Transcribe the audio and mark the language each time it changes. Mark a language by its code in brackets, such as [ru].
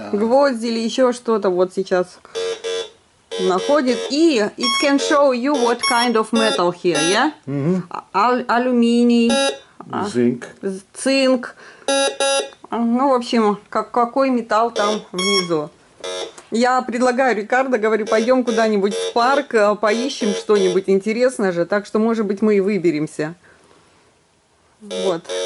[ru] Гвозди или еще что-то вот сейчас находит. [en] И it can show you what kind of metal here, yeah? Mm-hmm. [ru] Алюминий. [en] Zinc. [ru] Цинк. Ну, в общем, какой металл там внизу. Я предлагаю Рикардо, говорю, пойдем куда-нибудь в парк, поищем что-нибудь интересное же, так что, может быть, мы и выберемся. Вот.